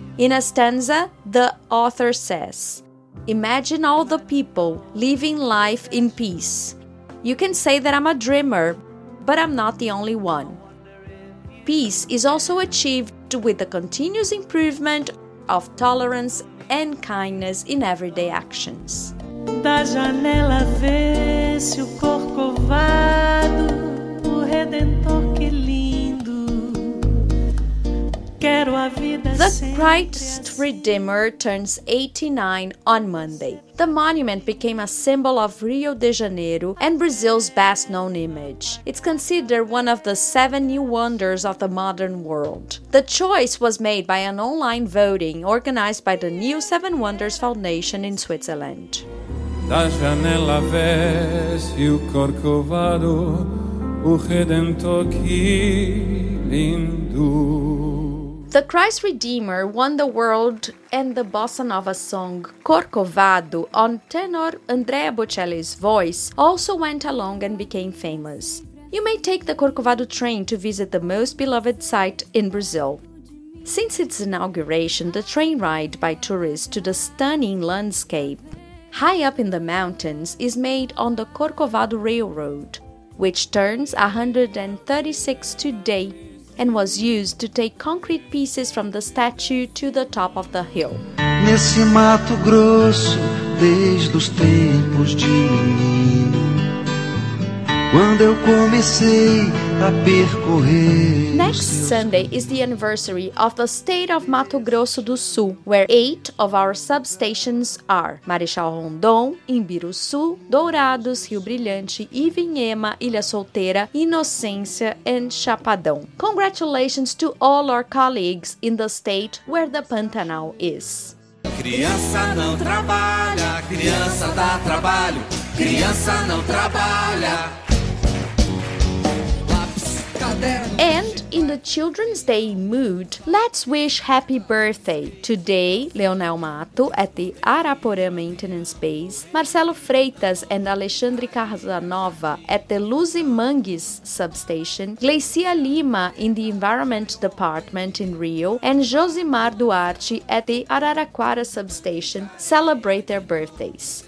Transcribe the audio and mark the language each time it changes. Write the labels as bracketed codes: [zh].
[en] In a stanza, the author says, "Imagine all the people living life in peace. You can say that I'm a dreamer, but I'm not the only one." Peace is also achieved with the continuous improvement of tolerance and kindness in everyday actions. [pt] Da janela vê-se o Corcovado, o Redentor, que lindo. Quero a vida. [en] The Christ Redeemer turns 89 on Monday. The monument became a symbol of Rio de Janeiro and Brazil's best-known image. It's considered one of the seven new wonders of the modern world. The choice was made by an online voting organized by the New Seven Wonders Foundation in Switzerland. [pt] Da janela vê-se o Corcovado, o Redentor, que lindo. [en] The Christ Redeemer won the world and the bossa nova song Corcovado on tenor Andrea Bocelli's voice also went along and became famous. You may take the Corcovado train to visit the most beloved site in Brazil. Since its inauguration, the train ride by tourists to the stunning landscape high up in the mountains is made on the Corcovado Railroad, which turns 136 today and was used to take concrete pieces from the statue to the top of the hill. [pt] Nesse mato grosso, desde os tempos de menino, quando eu comecei a percorrer. [en] Next Sunday is the anniversary of the state of Mato Grosso do Sul, where 8 of our substations are: Marechal Rondon, Imbiruçu, Dourados, Rio Brilhante, Ivinhema, Ilha Solteira, Inocência, and Chapadão. Congratulations to all our colleagues in the state where the Pantanal is. [pt] Criança não trabalha, criança dá trabalho, criança não trabalha. [en] And in the Children's Day mood, let's wish happy birthday today, Leonel Mato at the Araporã Maintenance Base, Marcelo Freitas and Alexandre Casanova at the Luzimangues Substation, Glacia Lima in the Environment Department in Rio, and Josimar Duarte at the Araraquara Substation celebrate their birthdays.